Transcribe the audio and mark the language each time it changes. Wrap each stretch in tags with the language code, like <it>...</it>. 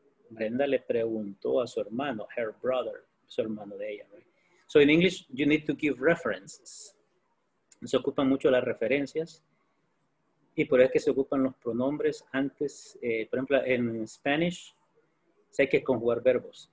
<es>Brenda le preguntó a su hermano,</es> <en>her brother,</en> <es>su hermano de ella.</es> <en>Right? So in English, you need to give references.</en> <es>Se ocupan mucho las referencias. Y por eso es que se ocupan los pronombres antes. Por ejemplo, en Spanish, se hay que conjugar verbos.</es>